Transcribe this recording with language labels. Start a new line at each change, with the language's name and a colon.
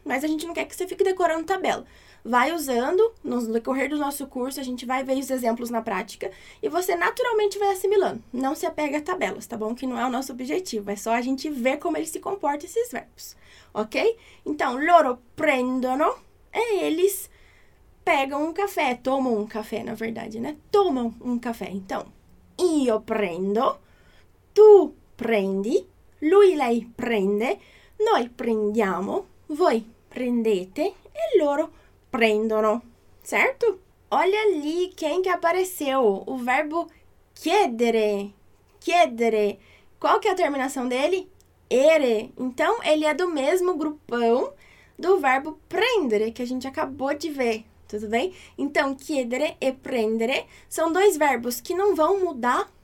Portuguese: Mas a gente não quer que você fique decorando tabela. Vai usando, no decorrer do nosso curso, a gente vai ver os exemplos na prática e você naturalmente vai assimilando. Não se apega a tabelas, tá bom? Que não é o nosso objetivo, é só a gente ver como eles se comportam esses verbos, ok? Então,
Italian: loro prendono
Portuguese: é eles pegam um café, tomam um café, na verdade, né? Tomam um café. Então,
Italian: io prendo. Tu prendi, lui lei prende, noi prendiamo, voi prendete e loro prendono, certo?
Portuguese: Olha ali quem que apareceu, o verbo chiedere, chiedere. Qual que é a terminação dele? Ere. Então, ele é do mesmo grupão do verbo prendere, que a gente acabou de ver, tudo bem? Então, chiedere e prendere são dois verbos que não vão mudar.